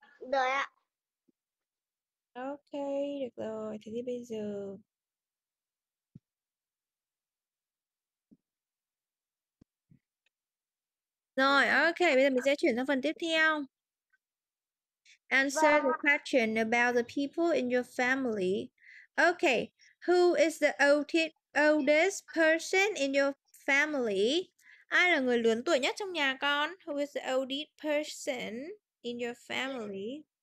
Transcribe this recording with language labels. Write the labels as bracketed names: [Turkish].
[Vietnamese] Được ạ. Ok, được rồi. Thế thì bây giờ rồi, ok, bây giờ mình sẽ chuyển sang phần tiếp theo. [English] Answer the question about the people in your family. Ok, who is the oldest person in your family? [Vietnamese] Ai là người lớn tuổi nhất trong nhà con? [English] Who is the oldest person in your family?